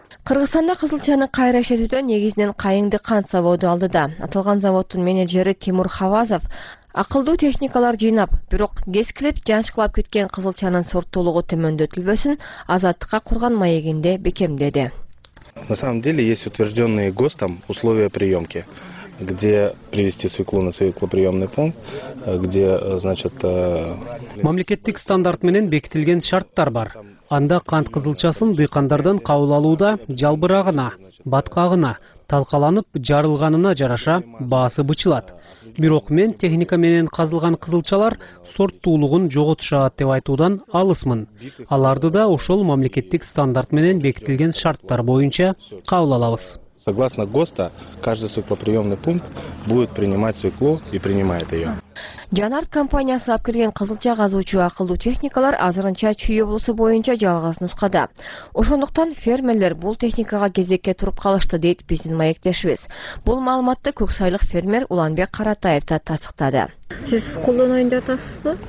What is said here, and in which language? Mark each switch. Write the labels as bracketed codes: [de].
[ky] Кыргызстанда кызылчаны кайра иштетүүдө негизинен Кайыңды кант заводу алдыда. Аталган заводдун менеджери Тимур Хавазов акылдуу техникалар жыйнап, бирок кескилеп жанчыклап кеткен кызылчанын сорттолугу төмөндөтүлбөсүн Азаттыкка курган маегинде бекемдеди. [ru] На самом деле есть утвержденные ГОСТом условия приемки, где привезти свеклу на свеклоприемный пункт, где, значит, [ky] мамлекеттик стандарт менен бекитилген шарттар бар. Анда кант кызылчасын дыйкандардан кабыл алууда жалбырагына, баткагына, талкаланып жарылганына жараша баасы бычылат. Бирок мен техника менен казылган кызылчалар сорттуулугун жоготушат деп айтуудан алысмын. Аларды да ошол мамлекеттик стандарт менен бекитилген шарттар боюнча кабыл алабыз. [ru] Согласно ГОСТа, каждый свеклоприемный пункт будет принимать свеклу и принимает ее. [ky] Жанарт компаниясы алып келген кызылча казуучу акылдуу техникалар азырынча Чүй облусу боюнча жалгыз нускада. Ошондуктан фермерлер бул техникага кезекке туруп калышты, дейт биздин маектешибиз. Бул маалыматты көк сайлык фермер Уланбек Каратаев да тастыктады. Сиз колдонойюн деп атасызбы?